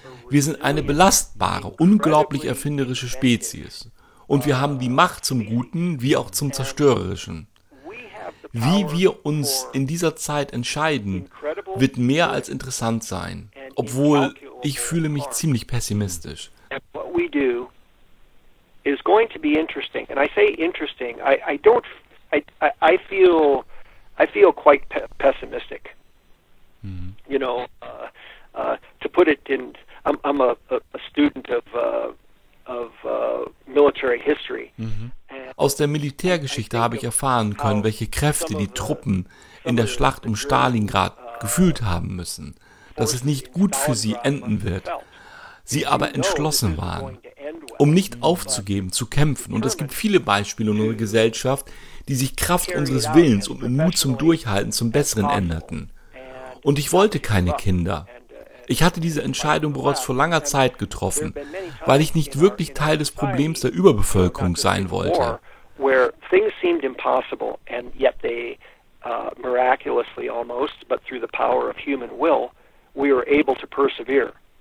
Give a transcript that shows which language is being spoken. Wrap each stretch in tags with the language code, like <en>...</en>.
<de>Wir sind eine belastbare, unglaublich erfinderische Spezies. Und wir haben die Macht zum Guten wie auch zum Zerstörerischen. Wie wir uns in dieser Zeit entscheiden, wird mehr als interessant sein, obwohl ich fühle mich ziemlich pessimistisch.</de> <en>What we do is going to be interesting, and I say interesting. I feel quite pessimistic. You know, to put it in, I'm a student of military history.</en> <de>Aus der Militärgeschichte habe ich erfahren können, welche Kräfte die Truppen in der Schlacht um Stalingrad gefühlt haben müssen, dass es nicht gut für sie enden wird, sie aber entschlossen waren, um nicht aufzugeben, zu kämpfen. Und es gibt viele Beispiele in unserer Gesellschaft, die sich Kraft unseres Willens und Mut zum Durchhalten zum Besseren änderten. Und ich wollte keine Kinder. Ich hatte diese Entscheidung bereits vor langer Zeit getroffen, weil ich nicht wirklich Teil des Problems der Überbevölkerung sein wollte.</de> <en>Where things seemed impossible and yet they miraculously almost, but through the power of human will, we were able to persevere.</en>